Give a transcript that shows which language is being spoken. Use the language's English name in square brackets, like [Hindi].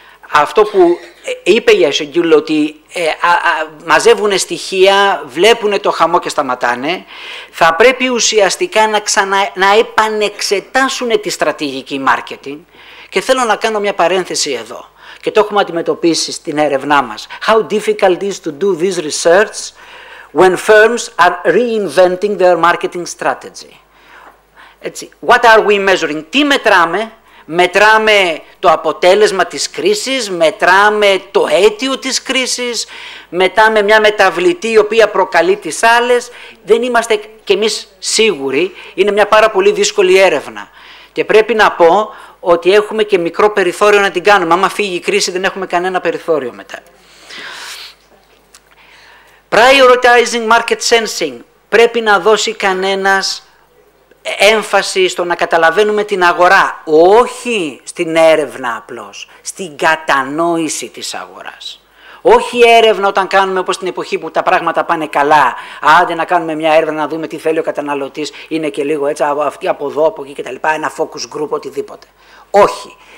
[Greek] Αυτό που είπε η Αισογγύλ ότι μαζεύουν στοιχεία, βλέπουν το χαμό και σταματάνε, θα πρέπει ουσιαστικά να επανεξετάσουν τη στρατηγική marketing. Και θέλω να κάνω μια παρένθεση εδώ και το έχουμε αντιμετωπίσει στην έρευνά μας. [English] How difficult is to do this research when firms are reinventing their marketing strategy. [Greek] Έτσι, [English] what are we measuring? [Greek] Τι μετράμε? Μετράμε το αποτέλεσμα της κρίσης, μετράμε το αίτιο της κρίσης, μετράμε μια μεταβλητή η οποία προκαλεί τις άλλες. Δεν είμαστε κι εμείς σίγουροι. Είναι μια πάρα πολύ δύσκολη έρευνα. Και πρέπει να πω ότι έχουμε και μικρό περιθώριο να την κάνουμε. Άμα φύγει η κρίση δεν έχουμε κανένα περιθώριο μετά. [English] Prioritizing market sensing. [Greek] Πρέπει να δώσει κανένας έμφαση στο να καταλαβαίνουμε την αγορά. Όχι στην έρευνα απλώς, στην κατανόηση της αγοράς. Όχι έρευνα όταν κάνουμε όπως την εποχή που τα πράγματα πάνε καλά. Άντε να κάνουμε μια έρευνα να δούμε τι θέλει ο καταναλωτής. Είναι και λίγο έτσι, αυτή από εδώ, από εκεί κτλ. Ένα focus group, οτιδήποτε. Όχι.